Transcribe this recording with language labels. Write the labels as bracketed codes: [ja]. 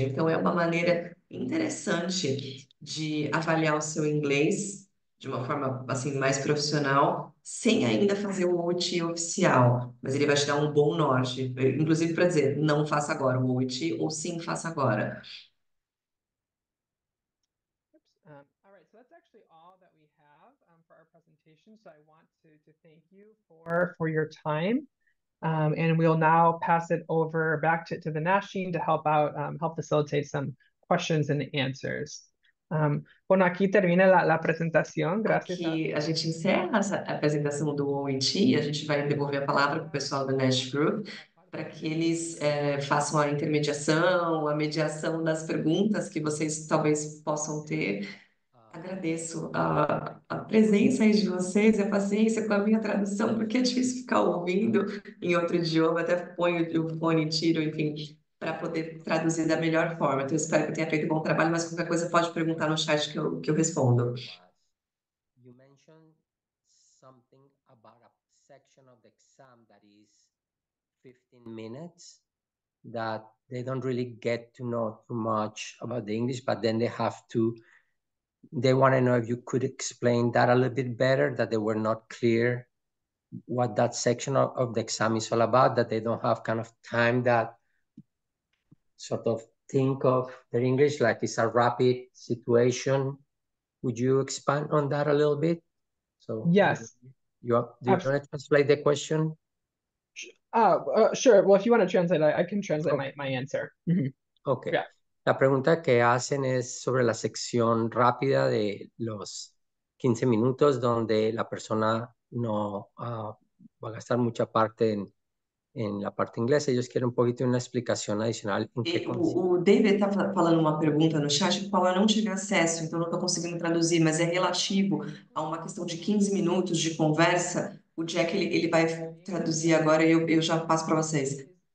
[pt] Então, é uma maneira interessante de avaliar o seu inglês de uma forma assim mais profissional, sem ainda fazer o OT oficial, mas ele vai te dar um bom norte, inclusive para dizer não faça agora o OT ou sim faça agora. [en] All right, so that's actually all that we have for our presentation. So I want to thank you for your time. And we'll now pass it over back to the Nash team to help out, help facilitate some questions and answers. [es] Bueno, aqui termina la presentación. Gracias a. [pt] Aqui a gente encerra essa apresentação do OIT e a gente vai devolver a palavra para o pessoal do Nash Group para que eles façam a intermediação, a mediação das perguntas que vocês talvez possam ter. Agradeço a presença aí de vocês e a paciência com a minha tradução, porque é difícil ficar ouvindo em outro idioma, até ponho o fone, tiro, enfim, para poder traduzir da melhor forma. Então, espero que eu tenha feito um bom trabalho, mas qualquer coisa pode perguntar no chat que eu respondo. [en] You mentioned something about a section of the exam that is 15 minutes that they don't really get to know too much about the English, but then they want to know if you could explain that a little bit better, that they were not clear what that section of the exam is all about, that they don't have kind of time that sort of think of their English like it's a rapid situation. Would you expand on that a little bit? So Yes. do you want to translate the question? Sure. Well, if you want to translate, I can translate Okay. my answer. Okay. [es] La pregunta que hacen es sobre la sección rápida de los 15 minutos donde la persona no va a gastar mucha parte en la parte inglesa. Ellos quieren un poquito una explicación adicional en qué consiste. [pt] O David está falando uma pergunta no chat, a qual eu não tive acesso, então não estou conseguindo traduzir, mas é relativo a uma questão de 15 minutos de conversa. O Jack ele vai traduzir agora e eu já passo para vocês.